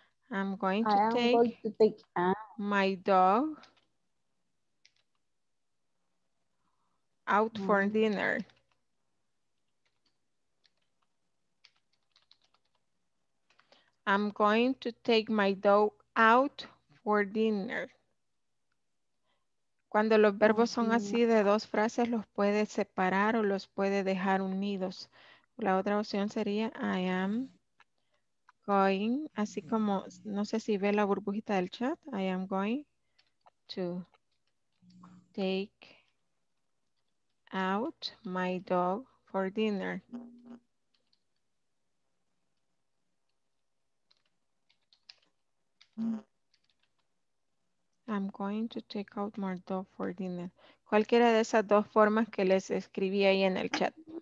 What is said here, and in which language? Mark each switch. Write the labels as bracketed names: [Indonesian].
[English] I'm going to take my dog out for dinner. I'm going to take my dog out for dinner. [Spanish] Cuando los verbos son así de dos frases, los puede separar o los puede dejar unidos. La otra opción sería, [English] I am going, [Spanish] así como, no sé si ve la burbujita del chat, [English] I am going to take out my dog for dinner. I'm going to take out my dog for dinner. [Spanish] Cualquiera de esas dos formas que les escribí ahí en el chat.